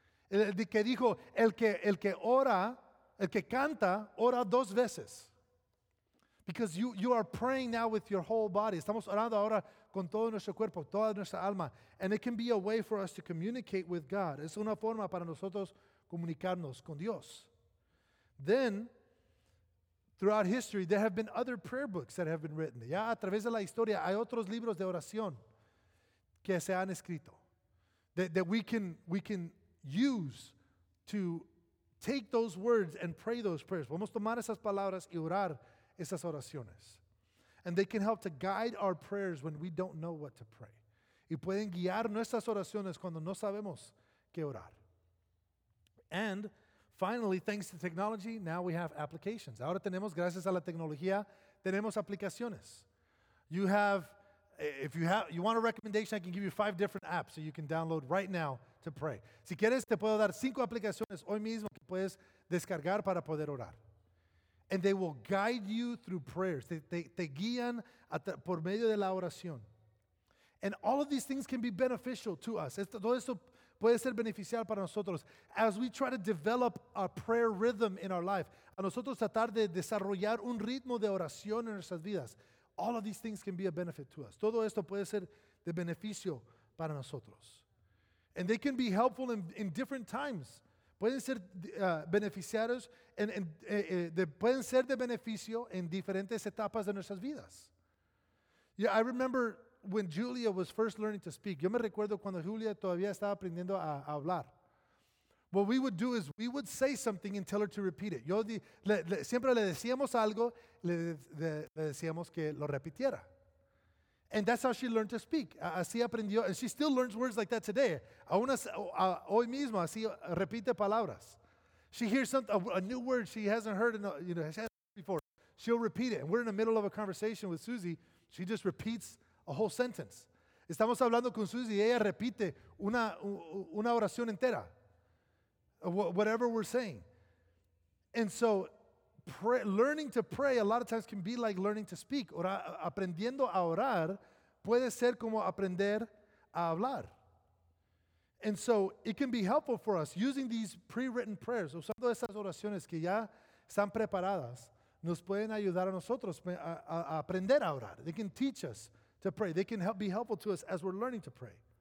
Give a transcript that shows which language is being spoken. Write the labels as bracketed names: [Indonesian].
[Spanish] Que dijo, el que ora, el que canta, ora dos veces. [English] Because you are praying now with your whole body. [Spanish] Estamos orando ahora con todo nuestro cuerpo, toda nuestra alma. [English] And it can be a way for us to communicate with God. [Spanish] Es una forma para nosotros comunicarnos con Dios. [English] Then, Throughout history, there have been other prayer books that have been written. [Spanish] Ya a través de la historia hay otros libros de oración que se han escrito [English] that we can use to take those words and pray those prayers. [Spanish] Podemos tomar esas palabras y orar esas oraciones. [English] And they can help to guide our prayers when we don't know what to pray. [Spanish] Y pueden guiar nuestras oraciones cuando no sabemos qué orar. [English] And finally, thanks to technology, now we have applications. [Spanish] Ahora tenemos, gracias a la tecnología, tenemos aplicaciones. [English] You have, if you have, you want a recommendation, I can give you 5 different apps that you can download right now to pray. [Spanish] Si quieres, te puedo dar 5 aplicaciones hoy mismo que puedes descargar para poder orar. [English] And they will guide you through prayers. [Spanish] Te guían por medio de la oración. [English] And all of these things can be beneficial to us. [Spanish] Todo esto puede ser beneficial para nosotros [English] as we try to develop a prayer rhythm in our life. [Spanish] A nosotros tratar de desarrollar un ritmo de oración en nuestras vidas. [English] All of these things can be a benefit to us. [Spanish] Todo esto puede ser de beneficio para nosotros. [English] And they can be helpful in different times. [Spanish] Pueden ser beneficiarios, pueden ser de beneficio en diferentes etapas de nuestras vidas. [English] Yeah, I remember when Julia was first learning to speak. [Spanish] Yo me recuerdo cuando Julia todavía estaba aprendiendo a hablar. [English] What we would do is we would say something and tell her to repeat it. [Spanish] Siempre le decíamos algo, le decíamos que lo repitiera. [English] And that's how she learned to speak. [Spanish] Así aprendió, [English] and she still learns words like that today. [Spanish] Hoy mismo, así repite palabras. [English] She hears a new word she hasn't heard before. She'll repeat it. And we're in the middle of a conversation with Susie. She just repeats a whole sentence. [Spanish] Estamos hablando con Susie y ella repite una oración entera. [English] Whatever we're saying. And so learning to pray a lot of times can be like learning to speak. [Spanish] Aprendiendo a orar puede ser como aprender a hablar. [English] And so it can be helpful for us using these pre-written prayers. [Spanish] Usando esas oraciones que ya están preparadas nos pueden ayudar a nosotros a aprender a orar. [English] They can teach us to pray. They can be helpful to us as we're learning to pray.